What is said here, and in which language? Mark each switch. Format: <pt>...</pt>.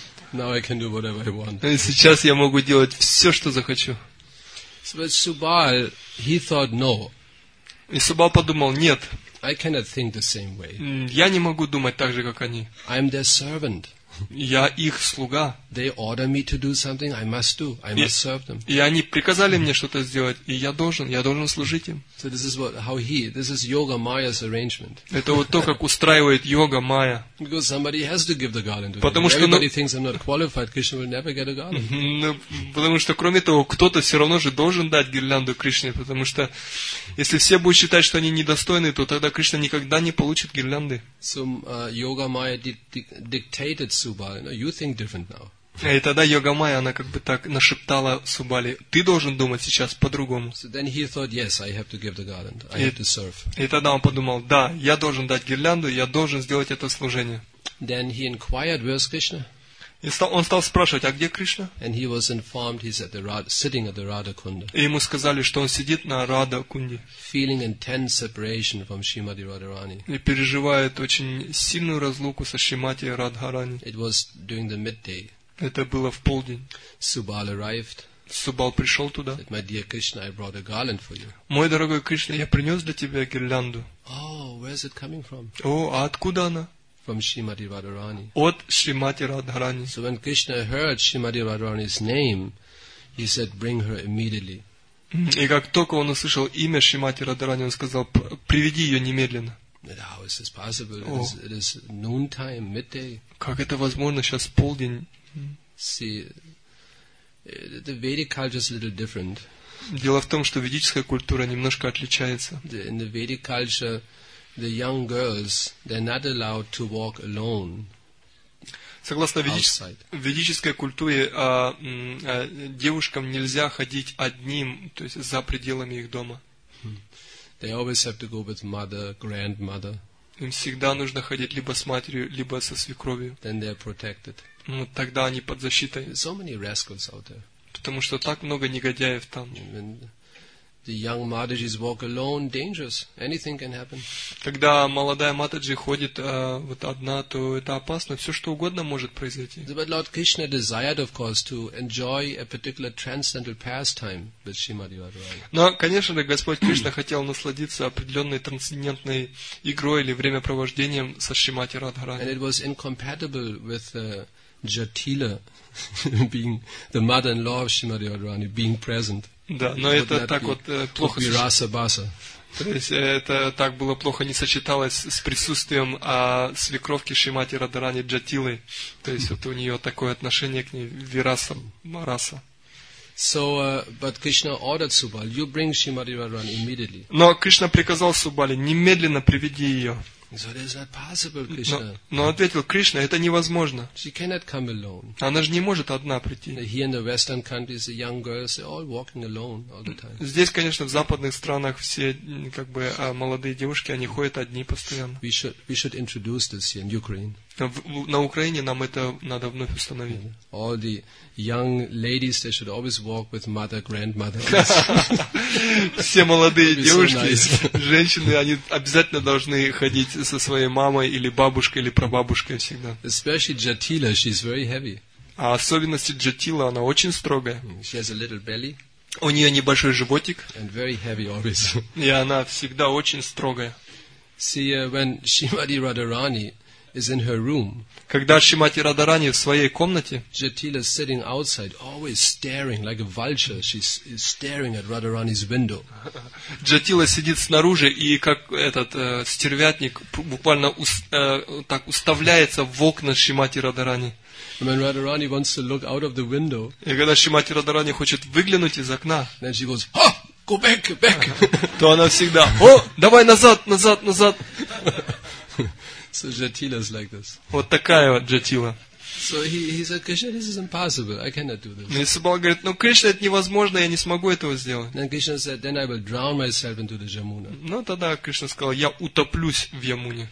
<en>Now I can do whatever I want.</en> <ru>Сейчас я могу делать все, что захочу.</ru> <en>So, but Subal, he thought no.</en> <ru>И Субал подумал нет.</ru> <en>I cannot think the same way.</en> <ru>Я не могу думать так же, как они.</ru> <en>I'm their servant.</en> <ru>Я их слуга.</ru> <en>They order me to do something, I must do. I must serve them.</en> <ru>И они приказали мне что-то сделать, и я должен служить им.</ru> <en>So this is what, how he, this is Yoga Maya's arrangement.</en> <ru>Это вот то, как устраивает Йога Майя.</ru> <en>Because somebody has to give the garland to</en> <ru>потому</ru> <en>him.</en> <ru>Что</ru> <en>everybody thinks I'm not qualified. Krishna will never get a garland.</en> <ru>Ну, потому что кроме того, кто-то все равно же должен дать гирлянду Кришне, потому что если все будут считать, что они недостойны, то тогда Кришна никогда не получит гирлянды.</ru> <en>So Yoga Maya dictated Subali. No, you think different now.</en> <ru>И тогда Йога Майя, она как бы так нашептала Субали, ты должен думать сейчас по-другому. И тогда он подумал, да, я должен дать гирлянду, я должен сделать это служение.</ru> <en>Then he inquired, where's Krishna?</en> <ru>И он стал спрашивать, а где Кришна?</ru> <en>And he was informed he's at the sitting at the Radha Kunda.</en> <ru>И ему сказали, что он сидит на Радха Кунде.</ru> <en>Feeling intense separation from Shrimati Radharani.</en> <ru>И переживает очень сильную разлуку со Шримати Радхарани.</ru> <en>It was during the midday.</en> <ru>Это было в полдень.</ru> <en>Subal arrived.</en> <ru>Subal пришел туда.</ru> <en>Said, my dear Krishna, I brought a garland for you.</en> <ru>Мой дорогой Кришна, я принес для тебя гирлянду.</ru> <en>Oh, where's it coming from?</en> <ru>О, а откуда она?</ru> <en>From Shrimati Radharani.</en> <ru>От Шримати Радхарани.</ru> <en>So when Krishna heard Shrimati Radharani's name, he said, bring her immediately.</en> <ru>И как только он услышал имя Шримати Радхарани, он сказал, приведи ее немедленно.</ru> <en>How is this possible? Oh. It is noontime, midday.</en> <ru>Как это возможно сейчас полдень?</ru> <en>See, the Vedic culture is a little different.</en> <ru>Дело в том, что ведическая культура немножко отличается.</ru> <en>In the Vedic culture, the young girls, they're not allowed to walk alone.</en> <ru>Согласно ведической культуре, девушкам нельзя ходить одним, то есть за пределами их дома.</ru> <en>They always have to go with mother, grandmother.</en> <ru>Им всегда нужно ходить либо с матерью, либо со свекровью.</ru> <en>Then they are protected.</en> <ru>Ну, тогда они под защитой.</ru> <en>So many rascals out there.</en> <ru>Потому что так много негодяев там.</ru> <en>When the young Mataji's walk alone, dangerous. Anything can happen.</en> <ru>Когда молодая Матаджи ходит вот одна, то это опасно. Все что угодно может произойти.</ru> <en>But Lord Krishna desired, of course, to enjoy a particular transcendental pastime with Shrimati Radharani.</en> <ru>Но, конечно же, Господь Кришна хотел насладиться определенной трансцендентной игрой или времяпровождением со Шримати Радхарани.</ru> <en>And it was incompatible with Jatila being the mother-in-law of Shrimati Radharani being present.</en> <ru>Да, но это так вот плохо. Раса баса. То есть это так было плохо не сочеталось с присутствием свекровки Шримати Радхарани Джатилы. То есть вот у нее такое отношение к ней вираса мараса.</ru> <en>So, but Krishna ordered Subali, you bring Shrimati Radharani immediately.</en> <ru>Но Кришна приказал Субали немедленно приведи ее.</ru> <en>So it is not possible, Krishna.</en> <ru>Но ответил Кришна, это невозможно.</ru> <en>She cannot come alone.</en> <ru>Она же не может одна прийти.</ru> <en>Here in the Western countries, the young girls are all walking alone all the time.</en> <ru>Здесь, конечно, в западных странах все как бы молодые девушки, они ходят одни постоянно.</ru> <en>We should introduce this here in Ukraine.</en> <ru>На Украине нам это надо вновь установить. Yeah.</ru> <en>All the young ladies, they should always walk with mother, grandmother.</en> <ru>Все молодые девушки, женщины, они обязательно должны ходить со своей мамой или бабушкой, или прабабушкой всегда.</ru> <en>Especially Jatila, she's very heavy.</en> <ru>А особенности Jatila, она очень строгая.</ru> <en>She has a little belly.</en> <ru>У нее небольшой животик.</ru> <en>And very heavy always.</en> <ru>И она всегда очень строгая.</ru> <en>See, when Shrimati Radharani is in her room.</en> <ru>Когда Шримати Радхарани в своей комнате,</ru> <en>Jatila is sitting outside, always staring like a vulture. She's staring at Radharani's window.</en> <ru>Jatila сидит снаружи и как этот стервятник буквально так уставляется в окна Шримати Радхарани.</ru> <en>When Radharani wants to look out of the window,</en> <ru>и когда Шримати Радхарани хочет выглянуть из окна,</ru> <en>then she goes, "Ha! Go back, back!"</en> <ru>То она всегда, "О, давай назад, назад, назад!"</ru> <en>So Jatila is like this.</en> <ru>Вот такая вот Jatila.</ru> <en>So he said, Krishna, this is impossible. I cannot do this.</en> <ru>И Субала говорит, ну, Кришна, это невозможно, я не смогу этого сделать.</ru> <en>Then Krishna said, then I will drown myself into the Yamuna.</en> <ru>Ну, тогда Кришна сказал, я утоплюсь в Ямуне.</ru>